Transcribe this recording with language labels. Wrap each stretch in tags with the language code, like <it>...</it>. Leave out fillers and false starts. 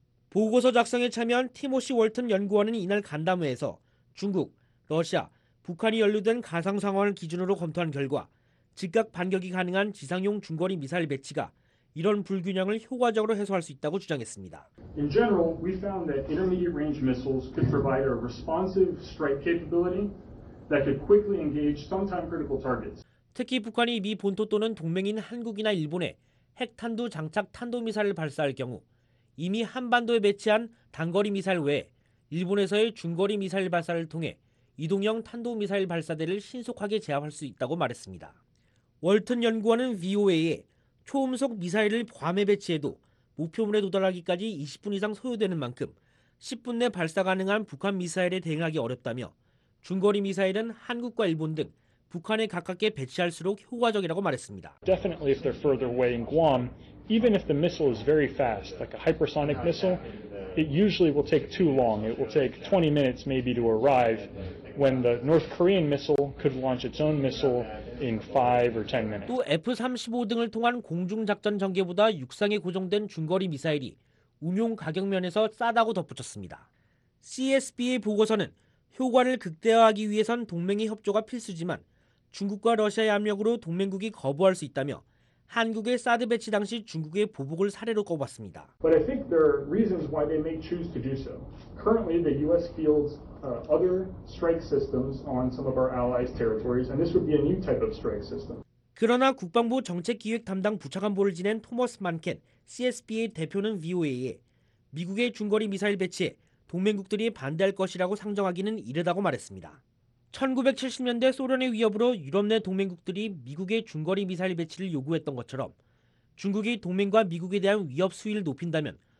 <ko>보고서 작성에 참여한 티모시 월튼 연구원은 이날 간담회에서 중국, 러시아, 북한이 연루된 가상 상황을 기준으로 검토한 결과 즉각 반격이 가능한 지상용 중거리 미사일 배치가 이런 불균형을 효과적으로 해소할 수 있다고 주장했습니다.</ko> <en>In general, we found that intermediate range missiles could provide a responsive strike capability that could quickly engage sometime critical targets.</en> <ko>특히 북한이 미 본토 또는 동맹인 한국이나 일본에 핵탄두 장착 탄도 미사일을 발사할 경우 이미 한반도에 배치한 단거리 미사일 외에 일본에서의 중거리 미사일 발사를 통해 이동형 탄도미사일 발사대를 신속하게 제압할 수 있다고 말했습니다. 월튼 연구원은 VOA에 초음속 미사일을 괌에 배치해도 목표물에 도달하기까지 20분 이상 소요되는 만큼 10분 내 발사 가능한 북한 미사일에 대응하기 어렵다며 중거리 미사일은 한국과 일본 등 북한에 가깝게 배치할수록 효과적이라고 말했습니다.</ko> <en>Definitely if they're further away in Guam, even if the missile is very fast, like a hypersonic missile, it usually will take too long. It will take 20 minutes maybe to arrive when the North Korean missile could launch its own missile in 5 or 10 minutes.</en> <ko>또 F-35 등을 통한 공중 작전 전개보다 육상에 고정된 중거리 미사일이 운용 가격 면에서 싸다고 덧붙였습니다. CSB의 보고서는 효과를 극대화하기 위해선 동맹의 협조가 필수지만 중국과 러시아의 압력으로 동맹국이 거부할 수 있다며 한국의 사드 배치 당시 중국의 보복을 사례로 꼽았습니다.</ko> <en>But I think there are reasons why they may choose to do so. Currently, the U.S. fields other strike systems on some of our allies' territories, and this would be a new type of strike system.</en> <ko>그러나 국방부 정책기획 담당 부차관보를 지낸 토머스 만켄, CSBA 대표는 VOA에 미국의 중거리 미사일 배치에 동맹국들이 반대할 것이라고 상정하기는 이르다고 말했습니다. 1970년대 소련의 위협으로 유럽 내 동맹국들이 미국의 중거리 미사일 배치를 요구했던 것처럼 중국이 동맹과 미국에 대한 위협 수위를 높인다면</ko>